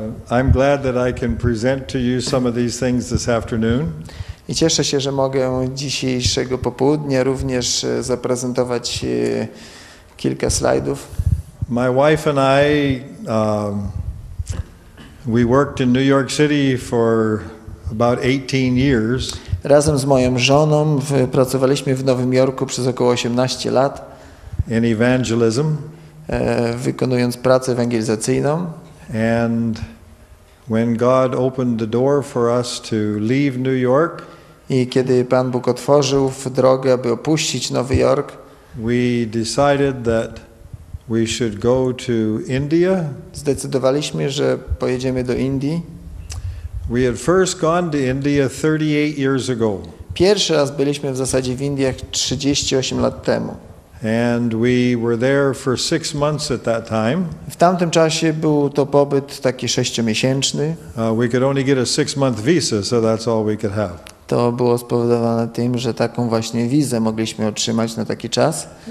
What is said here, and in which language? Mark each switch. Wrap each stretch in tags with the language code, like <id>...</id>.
<en>I'm glad that I can present to you some of these things this afternoon.</en> <pl>I cieszę się, że mogę dzisiejszego popołudnia również zaprezentować kilka slajdów.</pl> <en>My wife and I, we worked in New York City for about 18 years.</en> <pl>Razem z moją żoną pracowaliśmy w Nowym Jorku przez około 18 lat.</pl> <en>In evangelism.</en> <pl>Wykonując pracę ewangelizacyjną.</pl> <en>And when God opened the door for us to leave New York,</en> <pl>i kiedy Pan Bóg otworzył drogę, aby opuścić Nowy Jork,</pl> <en>we decided that we should go to India.</en> <pl>Zdecydowaliśmy, że pojedziemy do Indii.</pl> <en>We had first gone to India 38 years ago.</en> <pl>Pierwszy raz byliśmy w zasadzie w Indiach 38 lat temu.</pl> <en>And we were there for 6 months at that time.</en> <pl>W tamtym czasie był to pobyt taki 6-miesięczny.</pl> <en>We could only get a 6-month visa, so that's all we could have.</en> <pl>To było spowodowane tym, że taką właśnie wizę mogliśmy otrzymać na taki czas.</pl>